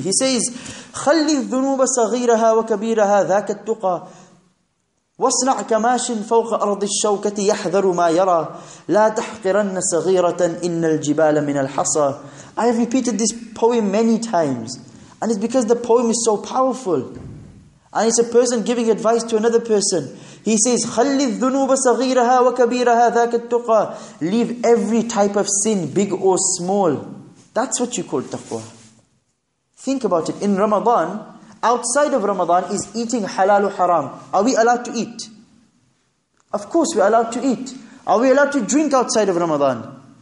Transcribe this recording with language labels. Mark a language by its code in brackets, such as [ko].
[en] He says, [ar] خَلِّ الذُّنُوبَ صَغِيرَهَا وَكَبِيرَهَا ذَاكَ التُّقَى وَاصْنَعْ كَمَاشٍ فَوْقَ أَرْضِ الشَّوْكَةِ يَحْذَرُ مَا يَرَى لَا تَحْقِرَنَّ صَغِيرَةً إِنَّ الْجِبَالَ مِنَ الْحَصَى. [en] I have repeated this poem many times. And it's because the poem is so powerful. And it's a person giving advice to another person. He says, [ar] خَلِّ الذُّنُوبَ صَغِيرَهَا وَكَبِيرَهَا ذَاكَ التُّقَى. [en] Leave every type of sin, big or small. That's what you call taqwa. Think about it. In Ramadan, outside of Ramadan, is eating halal or haram. Are we allowed to eat? Of course we're allowed to eat. Are we allowed to drink outside of Ramadan?